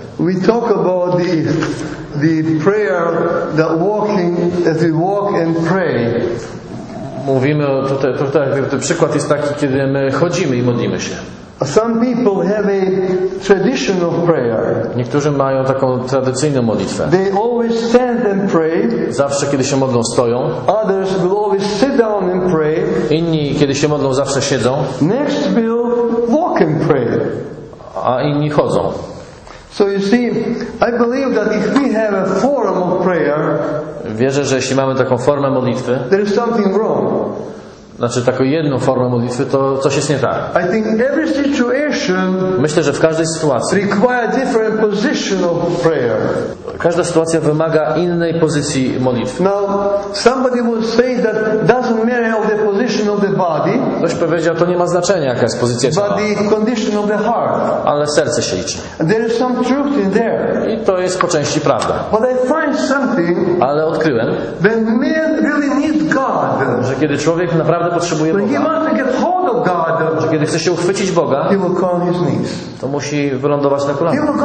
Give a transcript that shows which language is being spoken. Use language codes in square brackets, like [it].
[en] We talk about the prayer that walking as we walk and pray. [pl] Mówimy tutaj, przykład jest taki, kiedy my chodzimy i modlimy się. [en] Some people have a tradition of prayer. [pl] Niektórzy mają taką tradycyjną modlitwę. [en] They always stand and pray. [pl] Zawsze kiedy się modlą, stoją. [en] Others will always sit down and pray. [pl] Inni kiedy się modlą, zawsze siedzą. [en] Next will walk and pray. [pl] A inni chodzą. [en] So you see, I believe that if we have a form of prayer, [pl] wierzę, że jeśli mamy taką formę modlitwy, [en] there is something wrong. [pl] Znaczy taką jedną formę modlitwy, to coś jest nie tak. [en] I think every situation, [pl] myślę, że w każdej sytuacji [en] require different position of prayer. [pl] Każda sytuacja wymaga innej pozycji modlitwy. [en] Now, somebody will say that doesn't matter how the position of the body. [pl] Ktoś powiedział, to nie ma znaczenia, jaka jest pozycja ciała. [en] But the condition of the heart. [pl] Ale serce się liczy. [en] There is some truth in there. [pl] I to jest po części prawda. [en] But I find something, [pl] ale odkryłem, [en] when man really needs God, [pl] że kiedy człowiek naprawdę potrzebuje Boga, że kiedy chce się uchwycić Boga, to musi wylądować na kolanach.